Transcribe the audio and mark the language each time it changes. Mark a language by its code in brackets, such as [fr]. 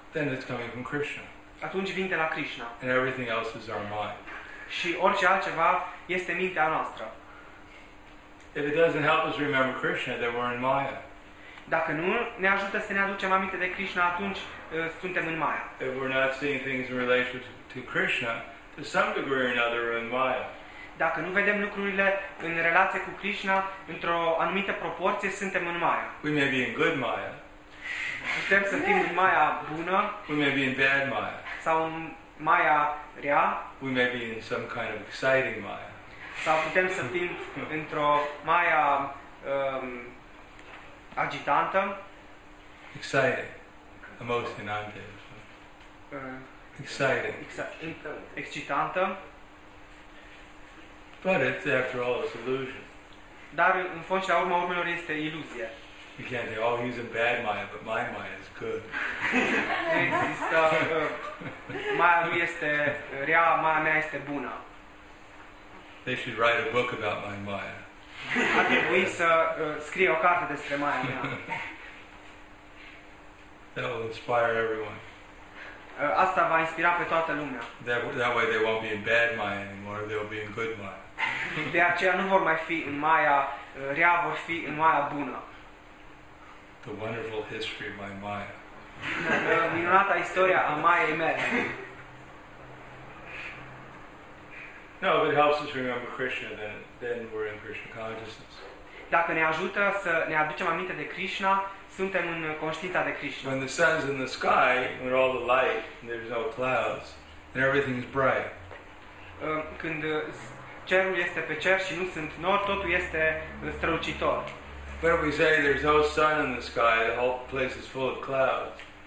[en] then it's coming from Krishna. [ro] Atunci vine de la Krishna. [en] And everything else is our mind. [ro] Și orice altceva este mintea noastră. [en] If it doesn't help us remember Krishna, then we're in Maya. [ro] Dacă nu ne ajută să ne aducem aminte de Krishna, atunci suntem în Maya. [en] If we're not seeing things in relation to Krishna, to some degree or another we're in Maya. [ro] Dacă nu vedem lucrurile în relație cu Krishna, într-o anumită proporție, suntem în Maya. [en] We may be in good Maya. [ro] Putem să fim în Maya bună. [en] We may be in bad Maya. [ro] Sau în Maya rea. [en] We may be in some kind of exciting Maya. [ro] Sau putem să fim într-o Maya agitantă. [en] Exciting. [ro] Emoționante. [en] Exciting. [ro] Excitantă. [en] But it's, after all, it's illusion. [ro] Dar în fond și la urma urmelor este iluzie. [en] You can't say, oh, he's in bad Maya, but my Maya is good. [ro] Există, Maya lui este rea, Maya mea este bună. [en] They should write a book about my Maya. [ro] Ar trebui să scrie o carte despre Maya mea. [en] That will inspire everyone. [ro] Asta va inspira pe toată lumea. [en] That way they won't be in bad Maya anymore, they'll be in good Maya. [ro] De aceea nu vor mai fi în Maya rea, vor fi în Maya bună. [en] The wonderful history of my Maya. [ro] Minunata istoria a Maiei mele. [en] No, if it helps us remember Krishna, then we're in Krishna consciousness. [ro] Dacă ne ajută să ne aducem aminte de Krishna, suntem în conștiința de Krishna. [en] When the sun's in the sky, when all the light, and there's no clouds, and everything is bright. [ro] Când cerul este pe cer și nu sunt nori, totul este strălucitor. [en] But if we say there's no sun in the sky, the whole place is full of clouds.